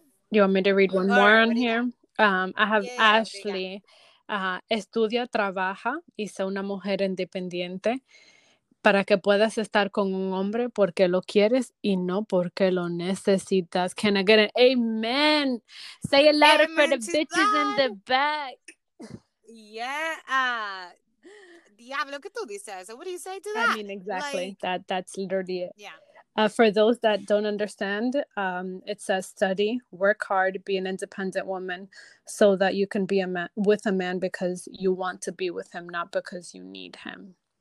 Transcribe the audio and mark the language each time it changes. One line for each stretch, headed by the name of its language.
English: You want me to read one more on here? I have Ashley.
Spanish: Estudia, trabaja y sé una mujer independiente para que puedas estar con un hombre porque lo quieres y no porque lo necesitas.
English: Can I get an amen? Say a letter amen for the bitches that in the back. Yeah.
Spanish: Diablo, ¿qué tú dices?
English: So what do you say to that? I mean, exactly. Like, that's literally it. Yeah. For those that don't understand, it says study, work hard, be an independent woman so that you can be a man with a man because you want to be with him, not because you need him.